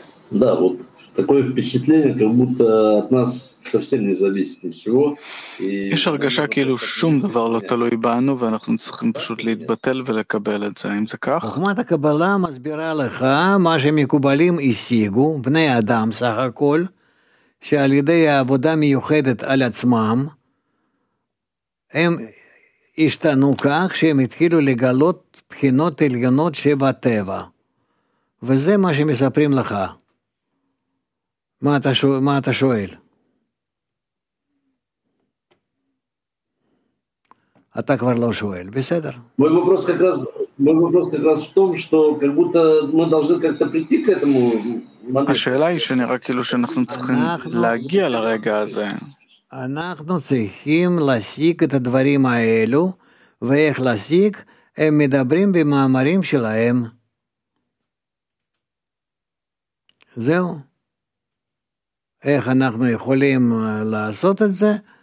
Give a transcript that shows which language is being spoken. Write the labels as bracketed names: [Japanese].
[Russian] Да, вот такое впечатление, как будто от нас совсем не зависит ничего. [Hebrew] יש הרגשה כאילו שום דבר לא תלוי בנו, ואנחנו צריכים פשוט להתבטל ולקבל את זה, אם זה כך. חוכמת הקבלה מסבירה לך מה שמקובלים השיגו, בני אדם סך הכל, שעל ידי העבודה מיוחדת על עצמם, הם השתנו כך שהם התחילו לגלות בחינות עליונות שבטבע. וזה מה שמספרים לך. מה אתה שואל? אתה כבר לא שואל, בסדר? [Russian] מוי вопрос как раз в том, что как будто мы должны как-то прийти к этому. [Hebrew] השאלה היא שנראה כאילו שאנחנו צריכים להגיע לרגע הזה. אנחנו צריכים להשיג את הדברים האלו, ואיך להשיג, הם מדברים במאמרים שלהם. זהו. איך אנחנו יכולים לעשות את זה?